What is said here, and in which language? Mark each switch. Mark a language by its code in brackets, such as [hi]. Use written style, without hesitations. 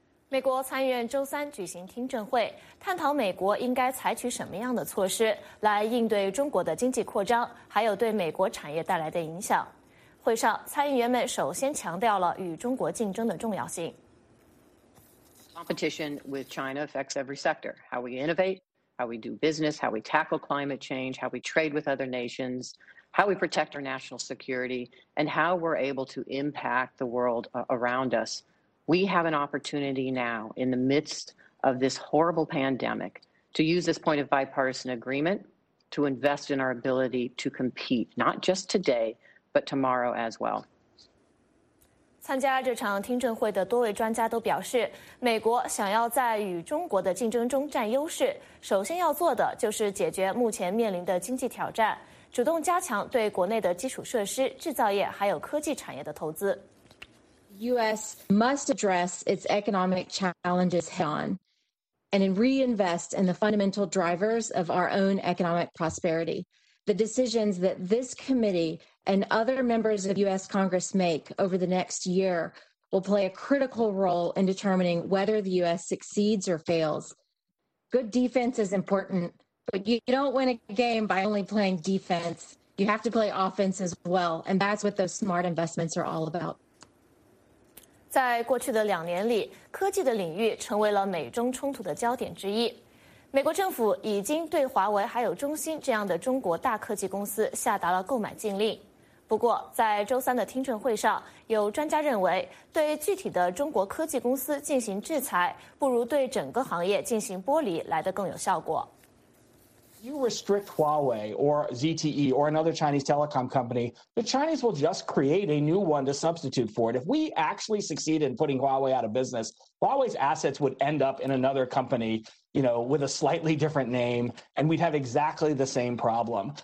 [zh] 美国参议院周三举行听证会，探讨美国应该采取什么样的措施来应对中国的经济扩张还有对美国产业带来的影响。会上，参议员们首先强调了与中国竞争的重要性。 [en] Competition with China affects every sector. How we innovate, how we do business, how we tackle climate change, how we trade with other nations, how we protect our national security, and how we're able to impact the world around us. We have an opportunity now in the midst of this horrible pandemic to use this point of bipartisan agreement to invest in our ability to compete, not just today,but tomorrow as well. [zh] 参加这场听证会的多位专家都表示，美国想要在与中国的竞争中占优势，首先要做的就是解决目前面临的经济挑战，主动加强对国内的基础设施、制造业还有科技产业的投资。 [en] US must address its economic challenges head on and reinvest in the fundamental drivers of our own economic prosperity. The decisions that this committeeand other members of U.S. Congress make over the next year will play a critical role in determining whether the U.S. succeeds or fails. Good defense is important, but you don't win a game by only playing defense. You have to play offense as well, and that's what those smart investments are all about. [zh] 在过去的两年里，科技的领域成为了美中冲突的焦点之一。美国政府已经对华为还有中兴这样的中国大科技公司下达了购买禁令。不过，在周三的听证会上，有专家认为，对具体的中国科技公司进行制裁，不如对整个行业进行剥离来得更有效果。 [en] you restrict Huawei or ZTE or another Chinese telecom company, the Chinese will just create a new one to substitute for it. If we actually succeed in putting Huawei out of business, Huawei's assets would end up in another company, you know, with a slightly different name, and we'd have exactly the same problem.